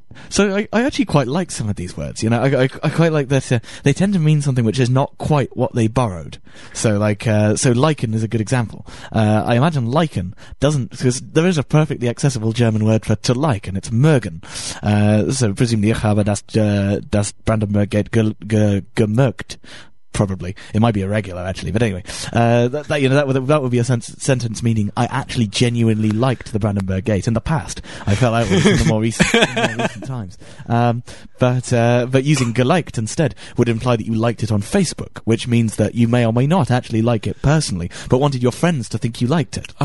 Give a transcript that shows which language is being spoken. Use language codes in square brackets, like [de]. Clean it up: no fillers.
[en] So I actually quite like some of these words, you know. I quite like that they tend to mean something which is not quite what they borrowed. So so lichen is a good example. I imagine lichen doesn't, because there is a perfectly accessible German word for to like, and it's mögen. So presumably [de] ich habe das Brandenburg Gate gemerkt. [en] Probably it might be irregular actually, but anyway, that would be a sentence meaning I actually genuinely liked the Brandenburg Gate in the past. I fell out with it in more recent times. But using geliked instead would imply that you liked it on Facebook, which means that you may or may not actually like it personally, but wanted your friends to think you liked it.